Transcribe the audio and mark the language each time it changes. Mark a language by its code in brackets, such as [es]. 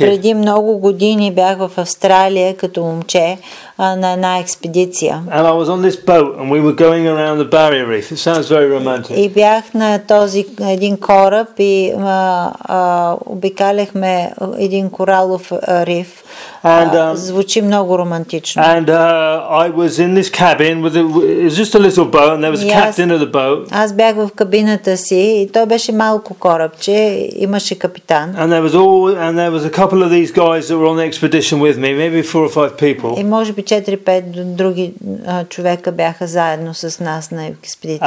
[bg] Преди много години бях в Австралия като момче на една експедиция. [en] And I was on this boat and we were going around the barrier reef. It sounds very romantic. [bg] И бях на този един кораб и обикаляхме един коралов риф. And звучи много романтично. [en] And I was in this cabin with it was just a little boat and there was a captain of the boat. [bg] Аз бях в кабината си и той беше малко корабче, имаше капитан. [en] And there was a couple of these guys that were on the expedition with me, maybe 4 or 5 people. [bg] И може би 4-5 други човека бяха заедно с нас на експедиция.